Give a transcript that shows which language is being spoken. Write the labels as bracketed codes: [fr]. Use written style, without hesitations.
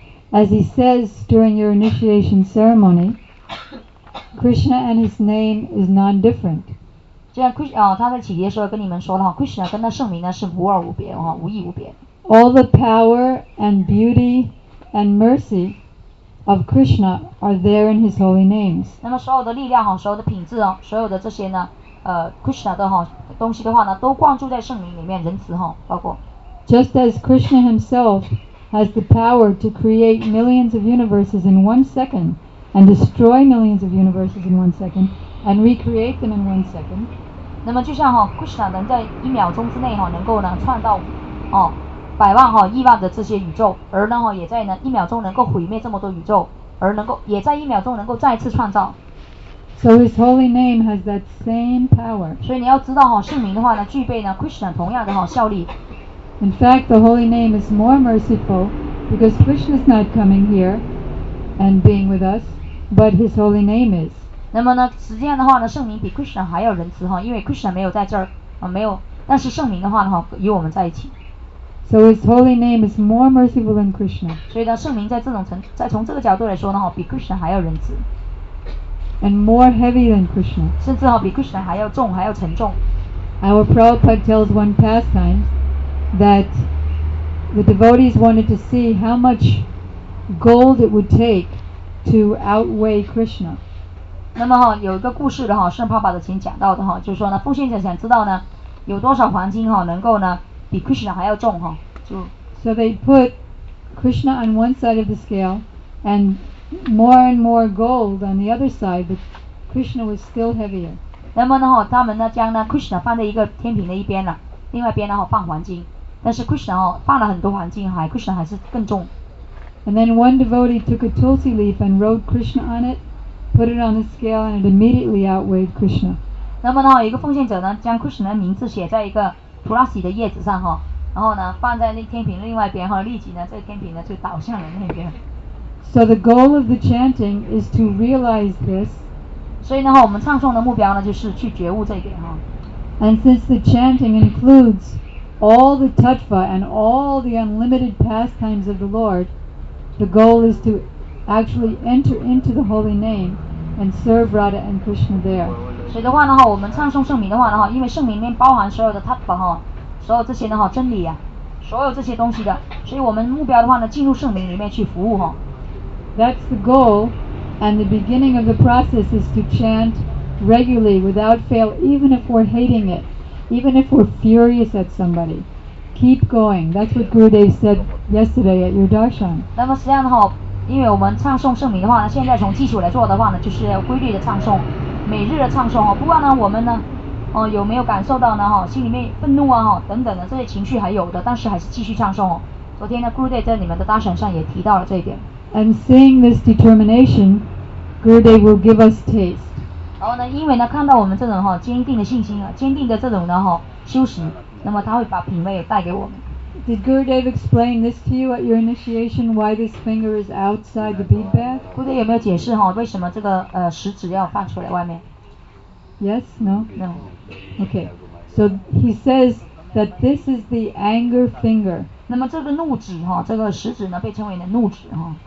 [en] As he says during your initiation ceremony, Krishna and his name is non-different. [zh] 就像 Krishna 他在启迪的时候跟你们说的哈 ，Krishna 跟他圣名呢是无二无别哈，无异无别。 [en] All the power and beauty and mercy of Krishna are there in his holy names. [zh] 那么所有的力量哈，所有的品质哦，所有的这些呢，Krishna 的哈东西的话呢，都灌注在圣名里面，仁慈哈，包括。 [en] Just as Krishna himself. Has the power to create millions of universes in 1 second, and destroy millions of universes in 1 second, and recreate them in 1 second. [zh] 那么就像哈 ，Krishna 能在一秒钟之内哈，能够呢创造哦百万哈亿万的这些宇宙，而呢哈也在呢一秒钟能够毁灭这么多宇宙，而能够也在一秒钟能够再次创造。 [en] So his holy name has that same power. [zh] 所以你要知道哈，圣名的话呢，具备呢 Krishna 同样的哈效力。 [en] In fact, the holy name is more merciful because Krishna is not coming here and being with us, but his holy name is. [zh] 那么呢，实际上的话呢，圣名比 Krishna 还要仁慈哈，因为 Krishna 没有在这儿啊，没有。但是圣名的话呢，哈，与我们在一起。 [en] So his holy name is more merciful than Krishna. [zh] 所以呢，圣名在这种层，在从这个角度来说呢，哈，比 Krishna 还要仁慈。 [en] And more heavy than Krishna. [zh] 甚至哈，比 Krishna 还要重，还要沉重。 [en] Our Prabhupada tells one pastime. That the devotees wanted to see how much gold it would take to outweigh Krishna. [zh] 那么哈有一个故事的哈，圣帕巴的前讲到的哈，就是说呢，奉献者想知道呢，有多少黄金哈能够呢比 Krishna 还要重哈。就 [en] So they put Krishna on one side of the scale, and more gold on the other side, but Krishna was still heavier. [zh] 那么呢哈，他们呢将呢 Krishna 放在一个天平的一边了。另外一边呢，放黄金，但是 Krishna 哦，放了很多黄金，还 Krishna 还是更重。 [en] And then one devotee took a tulsi leaf and wrote Krishna on it, put it on the scale, and it immediately outweighed Krishna. [zh] 那么呢，一个奉献者呢，将 Krishna 的名字写在一个 tulsi 的叶子上哈，然后呢，放在那天平另外一边哈，立即呢，这个天平呢就倒向了那边。 [en] So the goal of the chanting is to realize this. [zh] 所以呢，我们唱诵的目标呢，就是去觉悟这一点哈。 [en] And since the chanting includes all the tattva and all the unlimited pastimes of the Lord, the goal is to actually enter into the holy name and serve Radha and Krishna there. [zh] 所以的话呢，我们唱诵圣名的话呢，因为圣名里面包含所有的 tattva 哈，所有这些的哈真理啊，所有这些东西的，所以我们目标的话呢，进入圣名里面去服务哈。 [en] That's the goal, and the beginning of the process is to chant regularly without fail, even if we're hating it, even if we're furious at somebody. Keep going. That's what Gurudev said yesterday at your darshan. [zh] 那么实际上的话，因为我们唱诵圣名的话呢，现在从基础来做的话呢，就是规律的唱诵，每日的唱诵哦。不过呢，我们呢，有没有感受到呢？哈，心里面愤怒啊，哈，等等的这些情绪还有的，但是还是继续唱诵哦。昨天呢 ，Gurudev 在你们的darshan上也提到了这一点。 [en] And seeing this determination, Gurudev will give us taste. [zh] 然后呢，因为呢，看到我们这种哈坚定的信心啊，坚定的这种呢哈修行，那么他会把品味带给我们。 [en] Did Gurudev explain this to you at your initiation? Why this finger is outside the bead bag? [zh] Gurudev 有没有解释哈？为什么这个食指要放出来外面 [en] ？Yes, no, no. Okay. So he says that this is the anger finger. [zh] 那么这个怒指哈，这个食指呢，被称为呢怒指哈。